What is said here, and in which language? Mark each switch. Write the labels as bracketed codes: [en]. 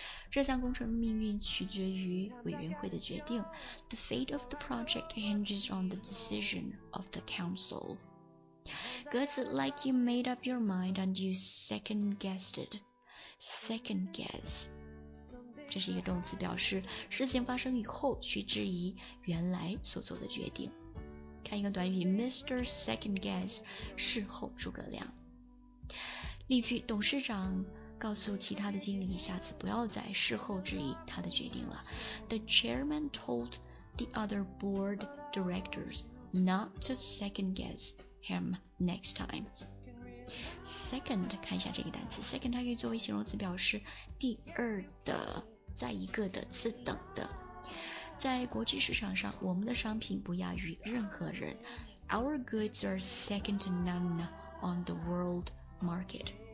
[zh] 这项工程的命运取决于委员会的决定。 [en] The fate of the project hinges on the decision of the council. [zh] 歌词 [en] like you made up your mind and you second-guessed it. Second guess. [zh] 这是一个动词表示事情发生以后去质疑原来所做的决定。看一个短语 [en] Mr. Second Guess, [zh] 事后诸葛亮。例句董事长告诉其他的经理下次不要再事后质疑他的决定了 [en] The chairman told the other board directors not to second guess him next time [zh] Second 看一下这个单词 Second 它可以作为形容词表示第二的再一个的次等的在国际市场上，我们的商品不亚于任何人。 [en] Our goods are second to none on the world market.